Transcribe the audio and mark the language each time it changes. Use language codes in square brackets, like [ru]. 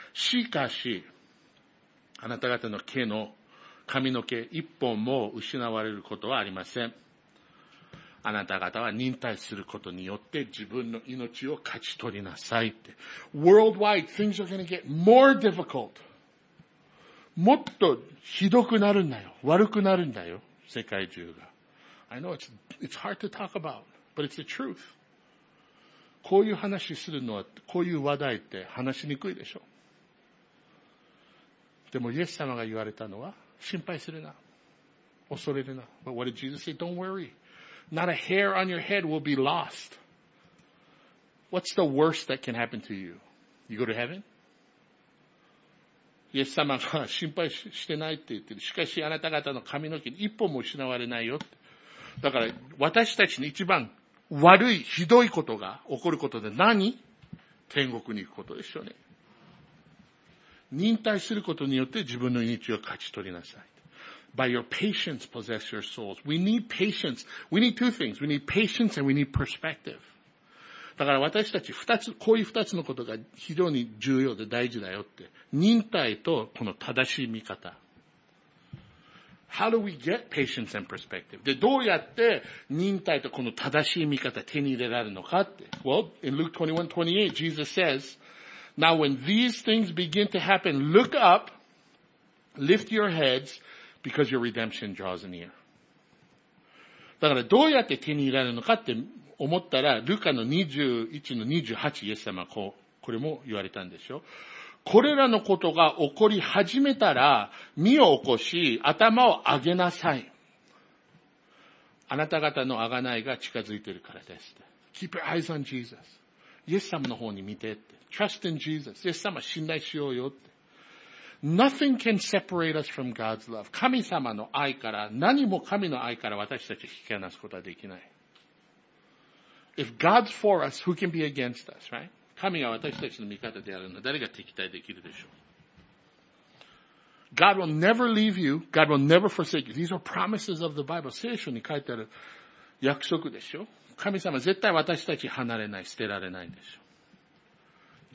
[ja] しかし、あなた方の毛の髪の毛一本も失われることはありません。あなた方は忍耐することによって自分の命を勝ち取りなさいって。 [en] Worldwide, things are going to get more difficult. [ja] もっとひどくなるんだよ。悪くなるんだよ。世界中が。 [en] I know it's hard to talk about, but it's the truth. [ja] こういう話するのは、こういう話題って話しにくいでしょ。でも、イエス様が言われたのは、心配するな。恐れるな。 [en] But what did Jesus say? Don't worry. Not a hair on your head will be lost. What's the worst that can happen to you? You go to heaven? [ja] イエス様が心配してないって言ってる。しかし、あなた方の髪の毛一本も失われないよって。だから、私たちに一番悪い、ひどいことが起こることで何？天国に行くことでしょうね。忍耐することによって自分の命を勝ち取りなさい。 [en] By your patience possess your souls. We need patience. We need two things. We need patience and we need perspective. [ja] だから私たち二つ、こういう二つのことが非常に重要で大事だよって。忍耐とこの正しい見方。 [en] How do we get patience and perspective? [ja] で、どうやって忍耐とこの正しい見方手に入れられるのかって。 [en] Well, in Luke 21:28, Jesus says,Now when these things begin to happen, look up, lift your heads, because your redemption draws near. [ja] だからどうやって手に入れるのかって思ったら、ルカの21の28、イエス様これも言われたんでしょ。これらのことが起こり始めたら、身を起こし、頭を上げなさい。あなた方の贖いが近づいているからです。 [en] Keep your eyes on Jesus. [ja] イエス様の方に見てって。 [en] Trust in Jesus. [ja] イエス様信頼しようよって。 [en] Nothing can separate us from God's love. [ja] 神様の愛から、何も神の愛から私たち引き離すことはできない。 [en] If God's for us, who can be against us, right? [ja] 神が私たちの味方であるのは誰が敵対できるでしょう。 [en] God will never leave you. God will never forsake you. These are promises of the Bible. [ja] 聖書に書いてある約束でしょ。神様絶対私たち離れない、捨てられないんでしょ。